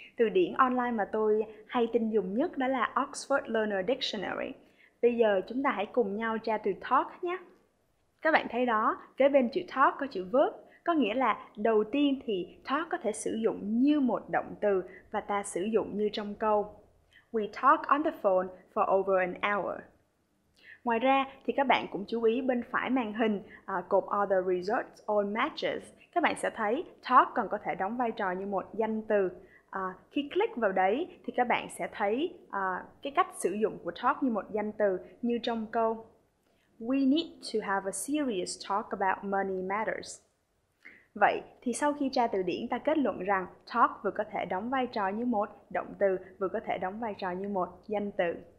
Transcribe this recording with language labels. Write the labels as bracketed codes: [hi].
[vi] Từ điển online mà tôi hay tin dùng nhất đó là Oxford Learner Dictionary. Bây giờ chúng ta hãy cùng nhau tra từ talk nhé. Các bạn thấy đó, kế bên chữ talk có chữ verb, có nghĩa là đầu tiên thì talk có thể sử dụng như một động từ và ta sử dụng như trong câu. [en] We talk on the phone for over an hour. [vi] Ngoài ra thì các bạn cũng chú ý bên phải màn hình cột [en] are the results or matches. [vi] Các bạn sẽ thấy talk còn có thể đóng vai trò như một danh từ. Khi click vào đấy thì các bạn sẽ thấy cái cách sử dụng của talk như một danh từ như trong câu. [en] We need to have a serious talk about money matters. [vi] Vậy thì sau khi tra từ điển ta kết luận rằng talk vừa có thể đóng vai trò như một động từ, vừa có thể đóng vai trò như một danh từ.